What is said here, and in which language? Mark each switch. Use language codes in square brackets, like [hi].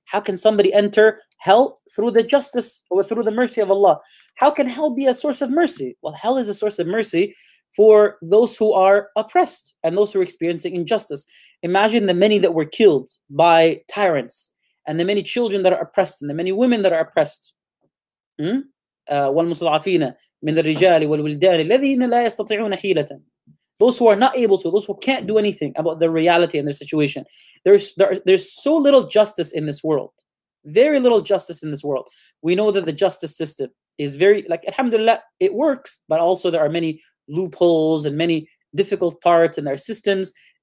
[en] How can somebody enter hell through the justice or through the mercy of Allah? How can hell be a source of mercy? Well, hell is a source of mercy for those who are oppressed and those who are experiencing injustice. Imagine the many that were killed by tyrants and the many children that are oppressed and the many women that are oppressed. [ar] والمستضعفين من الرجال والولدان الذين لا يستطيعون حيلة. [en] Those who are not able to, those who can't do anything about their reality and their situation. There's so little justice in this world. Very little justice in this world. We know that the justice system is very, like, alhamdulillah, it works, but also there are many loopholes and many difficult parts in their systems.